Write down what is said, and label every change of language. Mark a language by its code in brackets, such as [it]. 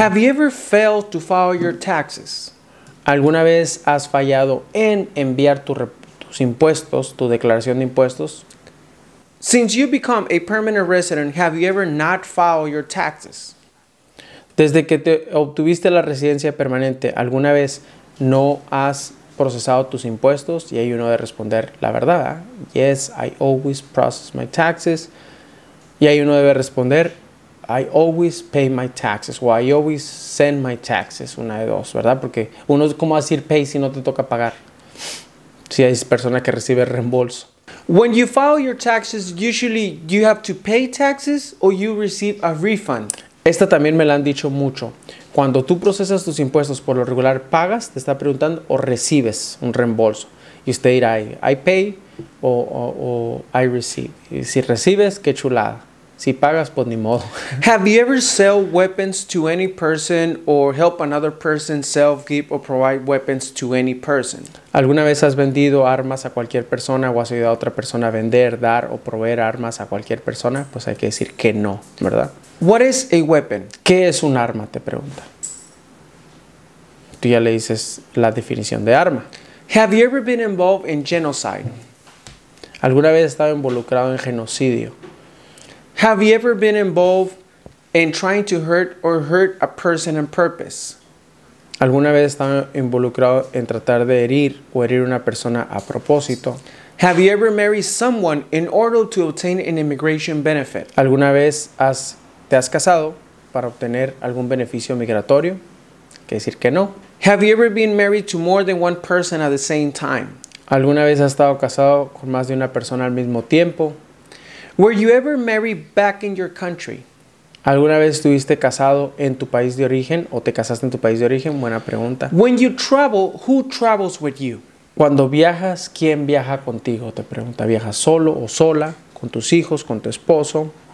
[en] Have you ever failed to file your taxes? [es] ¿Alguna vez has fallado en enviar tu tus impuestos, tu declaración de impuestos? [en] Since you become a permanent resident, have you ever not filed your taxes? [es] Desde que te obtuviste la residencia permanente, ¿alguna vez no has procesado tus impuestos? Y ahí uno debe responder la verdad, ¿eh? [en] Yes, I always process my taxes. [es] Y ahí uno debe responder, [en] I always pay my taxes, o I always send my taxes, [es] una de dos, ¿verdad? Porque uno es como decir pay si no te toca pagar. Si hay persona que recibe reembolso. [en] When you file your taxes, usually you have to pay taxes or you receive a refund. [es] Esta también me la han dicho mucho. Cuando tú procesas tus impuestos, por lo regular pagas, te está preguntando, o recibes un reembolso. Y usted dirá, [en] I pay [es] o [en] I receive. [es] Y si recibes, qué chulada. Si pagas, pues ni modo. [en] Have you ever sold weapons to any person or help another person sell, give or provide weapons to any person? [es] ¿Alguna vez has vendido armas a cualquier persona o has ayudado a otra persona a vender, dar o proveer armas a cualquier persona? Pues hay que decir que no, ¿verdad? [en] What is a weapon? [es] ¿Qué es un arma? Te pregunta. Tú ya le dices la definición de arma. [en] Have you ever been involved in genocide? [es] ¿Alguna vez has estado involucrado en genocidio? [en] Have you ever been involved in trying to hurt or hurt a person on purpose? [es] ¿Alguna vez estado involucrado en tratar de herir o herir una persona a propósito? [en] Have you ever married someone in order to obtain an immigration benefit? [es] ¿Alguna vez te has casado para obtener algún beneficio migratorio? ¿Qué decir que no? [en] Have you ever been married to more than one person at the same time? [es] ¿Alguna vez has estado casado con más de una persona al mismo tiempo? [en] Were you ever married back in your country? [es] ¿Alguna vez estuviste casado en tu país de origen o te casaste en tu país de origen? Buena pregunta. [en] When you travel, who travels with you? [es] Cuando viajas, ¿quién viaja contigo? Te pregunta, ¿viajas solo o sola? ¿Con tus hijos, con tu esposo?